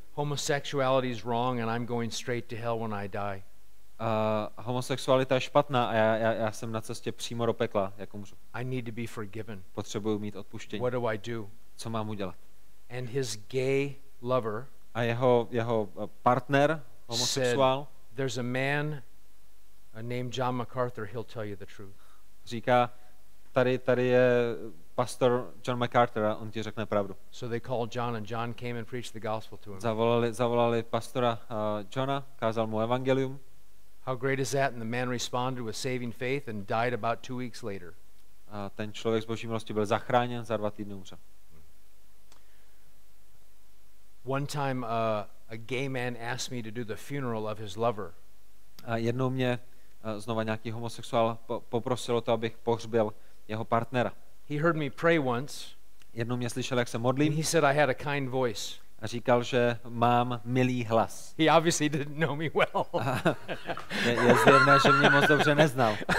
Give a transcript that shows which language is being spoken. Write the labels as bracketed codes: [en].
[en] homosexuality is wrong and I'm going straight to hell when I die. [cs] Homosexualita je špatná a já jsem na cestě přímo do pekla, jak umřu. [en] I need to be forgiven. [cs] Potřebuji mít odpuštění. [en] What do I do? [cs] Co mám udělat? [en] And his gay lover, [cs] a jeho partner homosexuál, [en] there's a man named John MacArthur, he'll tell you the truth. [cs] Říká, tady je pastor John MacArthur a on ti řekne pravdu. [en] So they called John and John came and preached the gospel to him. [cs] Zavolali pastora Johna, kázal mu evangelium. [en] How great is that? And the man responded with saving faith and died about 2 weeks later. [cs] A ten člověk z Boží milosti byl zachráněn, za 2 týdny umřel. [en] One time a gay man asked me to do the funeral of his lover. [cs] A jednou mě znova nějaký homosexuál poprosil o to, abych pohřbil jeho partnera. [en] He heard me pray once. [cs] Jednou mě slyšel, jak se modlím. [en] And he said I had a kind voice. [cs] a říkal, že mám milý hlas. [en] He obviously didn't know me well. [cs] Je zjevné, že mě moc dobře neznal.